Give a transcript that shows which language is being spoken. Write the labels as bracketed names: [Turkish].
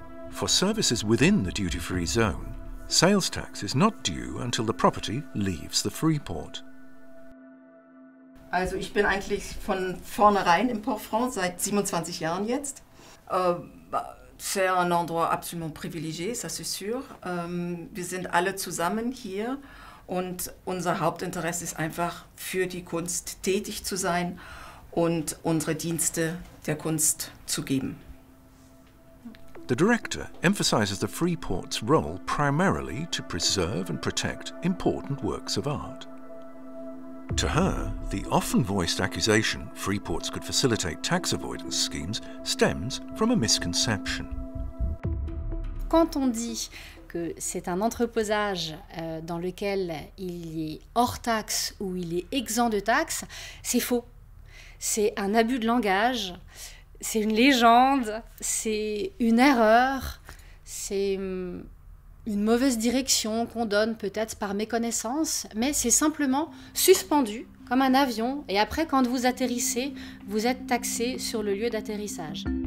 [English] For services within the duty-free zone, sales tax is not due until the property leaves the Freeport. [German] Also ich bin eigentlich von vornherein im Port Franc, seit 27 Jahren jetzt. [French] C'est un endroit absolument privilégié, ça c'est sûr. [German] Wir sind alle zusammen hier und unser Hauptinteresse ist einfach, für die Kunst tätig zu sein und unsere Dienste der Kunst zu geben. [English] The director emphasizes the Freeport's role primarily to preserve and protect important works of art. To her, the often voiced accusation Freeports could facilitate tax avoidance schemes stems from a misconception. [French] Quand on dit que c'est un entreposage dans lequel il est hors taxe ou il est exempt de taxe, c'est faux. C'est un abus de langage, c'est une légende, c'est une erreur, c'est une mauvaise direction qu'on donne peut-être par méconnaissance, mais c'est simplement suspendu comme un avion et après, quand vous atterrissez, vous êtes taxé sur le lieu d'atterrissage.